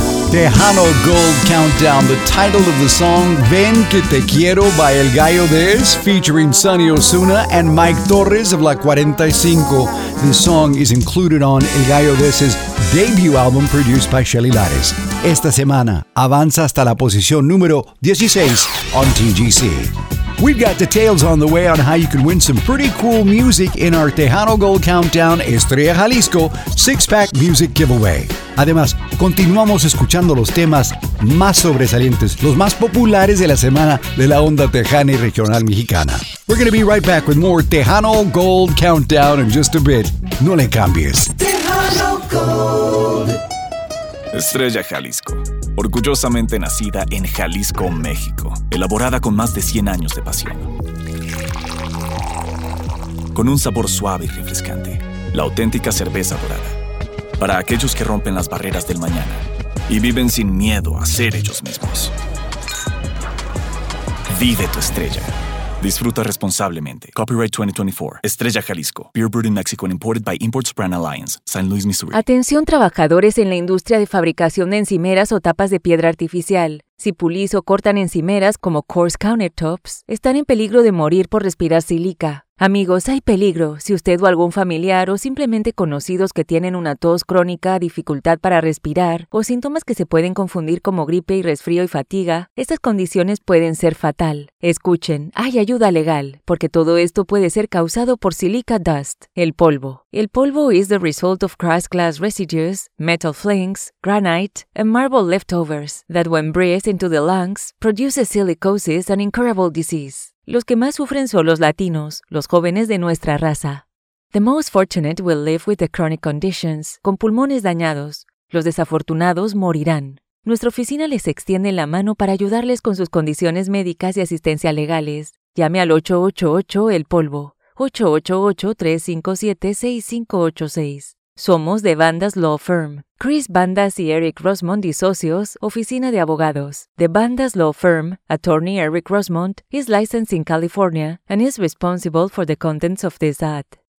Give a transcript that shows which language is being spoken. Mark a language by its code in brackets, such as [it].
[en] Tejano Gold Countdown, the title of the song, Ven Que Te Quiero by El Gallo Des, featuring Sonny Osuna and Mike Torres of La 45. This song is included on El Gallo Des' debut album produced by Shelly Lares. [es] Esta semana avanza hasta la posición número 16 [en] on TGC. We've got details on the way on how you can win some pretty cool music in our Tejano Gold Countdown Estrella Jalisco six-pack music giveaway. [es] Además, continuamos escuchando los temas más sobresalientes, los más populares de la semana de la onda tejana y regional mexicana. [en] We're going to be right back with more Tejano Gold Countdown in just a bit. [es] No le cambies. Tejano Gold. Estrella Jalisco. Orgullosamente nacida en Jalisco, México. Elaborada con más de 100 años de pasión. Con un sabor suave y refrescante. La auténtica cerveza dorada. Para aquellos que rompen las barreras del mañana y viven sin miedo a ser ellos mismos. Vive tu estrella. Disfruta responsablemente. Copyright 2024. Estrella Jalisco. [en] Beer brewed in Mexico and imported by Imports Brand Alliance. [es] San Luis, Missouri. Atención, trabajadores en la industria de fabricación de encimeras o tapas de piedra artificial. Si pulís o cortan encimeras como coarse countertops, están en peligro de morir por respirar sílica. Amigos, hay peligro. Si usted o algún familiar o simplemente conocidos que tienen una tos crónica, dificultad para respirar o síntomas que se pueden confundir como gripe y resfrío y fatiga, estas condiciones pueden ser fatal. Escuchen, hay ayuda legal, porque todo esto puede ser causado por [en] silica dust, [es] el polvo. [en] El polvo is the result of crushed glass residues, metal flakes, granite, and marble leftovers that when breathed into the lungs, produces silicosis and incurable disease. [es] Los que más sufren son los latinos, los jóvenes de nuestra raza. [en] The most fortunate will live with the chronic conditions, [es] con pulmones dañados. Los desafortunados morirán. Nuestra oficina les extiende la mano para ayudarles con sus condiciones médicas y asistencia legales. Llame al 888-EL-POLVO, 888-357-6586. Somos de Bandas Law Firm. Chris Bandas y Eric Rosmond y socios, oficina de abogados. [en] The Bandas Law Firm, attorney Eric Rosmond, is licensed in California and is responsible for the contents of this ad.